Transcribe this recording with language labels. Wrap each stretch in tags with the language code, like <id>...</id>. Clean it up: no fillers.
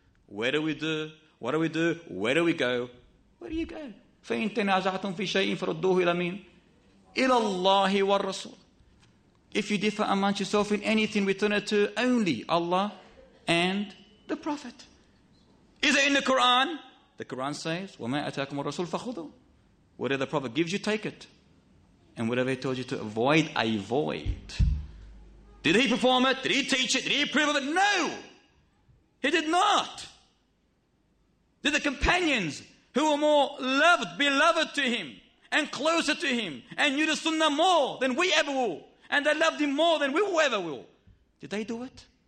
<en>Where do we do? What do we do? Where do we go? Where do you go?</en> <ar>فَإِن تَنَازَعْتُمْ فِي شَيْءٍ فَرُدُّوهُ إِلَى مِنْ إِلَى اللَّهِ وَالرَّسُولِ.</ar> <en>If you differ amongst yourself in anything, return it to only Allah and the Prophet. Is it in the Quran? The Quran says,</en> <ar>وَمَا أَتَاكُمُ الرَّسُولُ فَخُذُوا.</ar> <en>Whatever the Prophet gives you, take it. And whatever he told you to avoid, avoid. Did he perform it? Did he teach it? Did he approve of it? No! He did not. Did the companions who were more loved, beloved to him, and closer to him, and knew the sunnah more than we ever will, and they loved him more than we ever will, did they do it?</en>